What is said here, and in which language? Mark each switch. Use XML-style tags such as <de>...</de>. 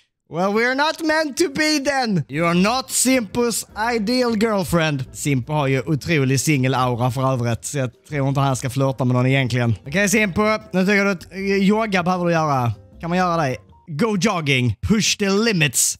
<en>Well, we're not meant to be then. You are not Simpos ideal girlfriend.</en> <sv>Simpo har ju otrolig singelaura för övrigt, så jag tror inte han ska flirta med någon egentligen. Okej, Simpo, nu tycker du att yoga behöver du göra. Kan man göra det?</sv> <en>Go jogging, push the limits.</en>